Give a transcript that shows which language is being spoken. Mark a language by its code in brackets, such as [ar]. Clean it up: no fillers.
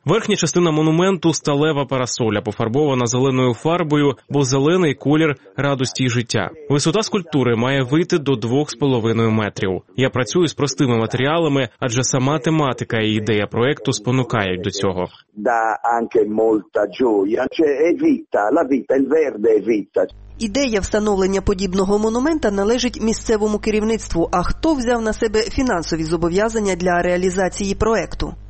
[uk] Верхня частина монументу – сталева парасоля, пофарбована зеленою фарбою, бо зелений – колір радості і життя. Висота скульптури має вийти до 2,5 метрів. Я працюю з простими матеріалами, адже сама тематика і ідея проєкту спонукають до цього. [it] Да, anche molta gioia. Cioè è vita, la vita, il verde è vita. [uk] Ідея встановлення подібного монумента належить місцевому керівництву. А хто взяв на себе фінансові зобов'язання для реалізації проєкту?